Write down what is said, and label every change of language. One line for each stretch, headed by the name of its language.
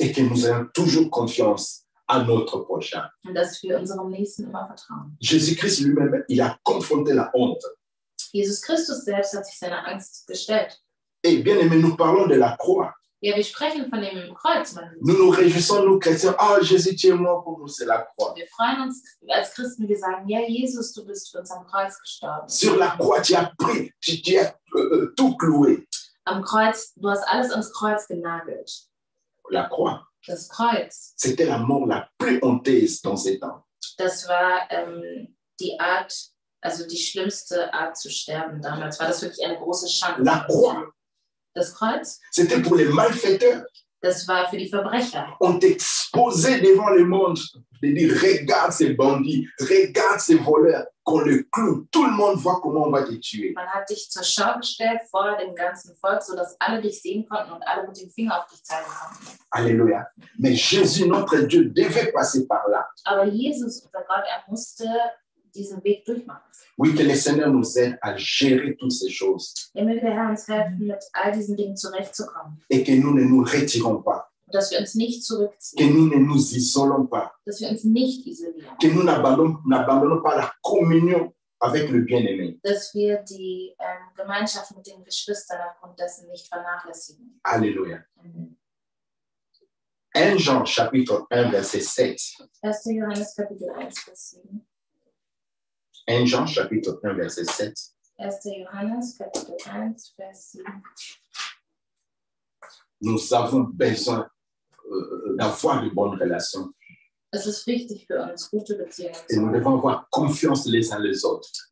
French: Et que nous ayons toujours confiance à notre prochain.
German: Und dass wir unserem Nächsten immer vertrauen.
French: Jésus-Christ lui-même, il a confronté la honte.
German: Jesus Christus selbst hat sich seiner Angst gestellt.
French: Et bien-aimé, nous parlons de la croix.
German: Ja, wir sprechen von dem Kreuz.
French: Nous nous réjouissons, nous chrétiens. Ah, Jésus, tu es mort pour nous, c'est la croix.
German: Wir freuen uns als Christen, wir sagen, ja, Jesus, du bist für uns am Kreuz gestorben.
French: Sur la croix, tu as pris, tu as tout cloué.
German: Am Kreuz, du hast alles ans Kreuz genagelt.
French: La croix.
German: Das Kreuz.
French: C'était la mort la plus honteuse dans ces temps.
German: Das war die Art, also die schlimmste Art zu sterben damals. War das wirklich eine große Schande?
French: La croix.
German: Das Kreuz.
French: C'était pour les malfaiteurs.
German: Das war für die Verbrecher.
French: On t'exposait devant le monde. De dire, regarde ces bandits, regarde ces voleurs, qu'on le cloue. Tout le monde voit comment on va te tuer.
German: Man hat dich zur Schau gestellt vor dem ganzen Volk, sodass alle dich sehen konnten und alle mit dem Finger auf dich zeigen konnten.
French: Alléluia. Mais Jésus, notre Dieu, devait passer par là.
German: Aber Jesus, unser Gott, musste diesen Weg durchmachen.
French: Oui, que le Seigneur nous aide à gérer toutes ces choses.
German: Er möge der Herr uns helfen, mit all diesen Dingen zurechtzukommen.
French: Et que nous ne nous retirons pas.
German: Dass wir uns nicht zurückziehen. Dass wir uns nicht isolieren.
French: Que nous n'abandonnons pas la communion avec le bien-aimé.
German: Dass wir die Gemeinschaft mit den Geschwistern aufgrund dessen nicht vernachlässigen.
French: Alléluia. Mm-hmm. 1 Jean chapitre 1 verset 7.
German: 1 Johannes Kapitel 1 Vers 7.
French: 1 Jean chapitre 1 verset 7.
German: 1 Johannes Kapitel 1 Vers 7.
French: Nous avons besoin d'avoir de bonnes relations.
German: Es ist wichtig für uns, gute Beziehungen.
French: Et nous devons avoir confiance les uns les autres.